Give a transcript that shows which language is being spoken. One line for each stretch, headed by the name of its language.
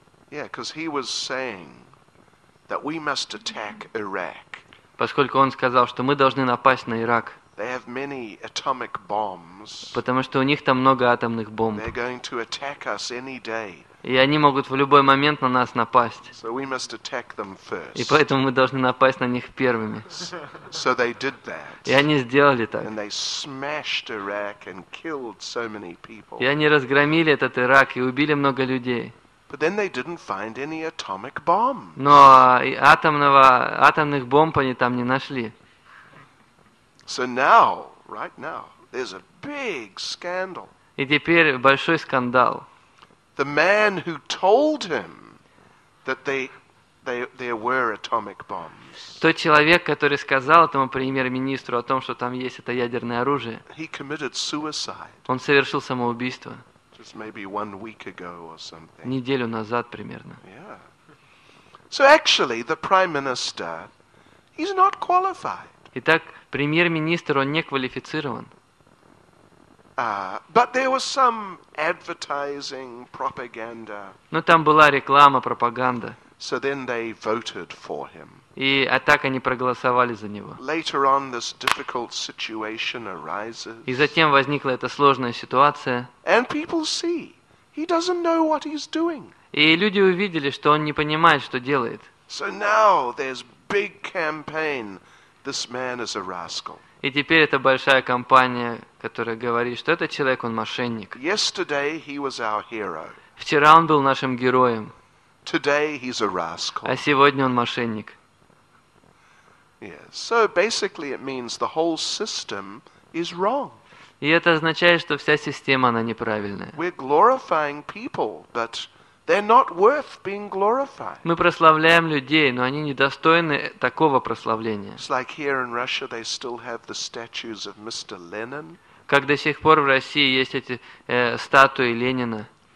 English: Yeah, because he was saying that we must attack Iraq.
Russian: Поскольку он сказал, что мы должны напасть на Ирак.
English: They have many atomic bombs.
Russian: Потому что у них там много атомных бомб.
English: They're going to attack us any day.
Russian: И они могут в любой момент на нас напасть.
English: So we must attack them first.
Russian: И поэтому мы должны напасть на них первыми.
English: So they did that.
Russian: И они сделали так.
English: And they smashed Iraq and killed so many people.
Russian: И они разгромили этот Ирак и убили много людей.
English: But then they didn't find any atomic bombs.
Russian: Но атомных бомб они там не нашли.
English: So now, right now, there's a big scandal.
Russian: И теперь большой скандал.
English: The man who told him that there were atomic bombs.
Russian: Тот человек, который сказал этому премьер-министру о том, что там есть это ядерное оружие.
English: He committed suicide.
Russian: Он совершил самоубийство.
English: Just maybe one week ago or something.
Russian: Неделю назад примерно.
English: Yeah. So actually, the prime minister, he's not qualified.
Russian: Итак, премьер-министр, он не квалифицирован.
English: But there was some advertising propaganda.
Russian: Но там была реклама, пропаганда.
English: So then they voted for him.
Russian: И а так они проголосовали за него.
English: Later on, this difficult situation arises.
Russian: И затем возникла эта сложная ситуация.
English: And people see he doesn't know what he's doing.
Russian: И люди увидели, что он не понимает, что делает.
English: So now there's big campaign. This man is a rascal.
Russian: И теперь это большая компания, которая говорит, что этот человек, он мошенник.
English: Yesterday he was our hero.
Russian: Вчера он был нашим героем.
English: Today he's a rascal.
Russian: А сегодня он мошенник.
English: Yes. So basically it means the whole system is wrong.
Russian: И это означает, что вся система, она неправильная.
English: We're glorifying people, but they're not worth being glorified.
Russian: Мы прославляем людей, но они недостойны такого прославления.
English: It's like here in Russia they still have the statues of Mr. Lenin.
Russian: Как до сих пор в России есть эти статуи Ленина.